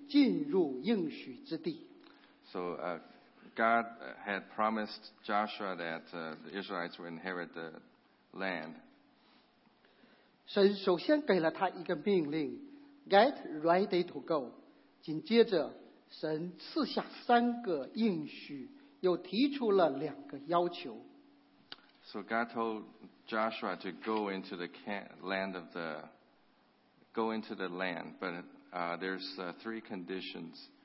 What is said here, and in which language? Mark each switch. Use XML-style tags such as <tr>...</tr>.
<zh>圣经一开始就向我们显明了神在呼召约书亚,要求他带领以色列民去进入应许之地。</zh> <en>So God had promised Joshua that the Israelites would inherit the land.</en> <zh>神首先给了他一个命令,</zh> <en>get ready to go.</en> <zh>紧接着神赐下三个应许, 又提出了两个要求。</zh> <en>So God told Joshua to go into the land of the go into the land, but there's three conditions.</en>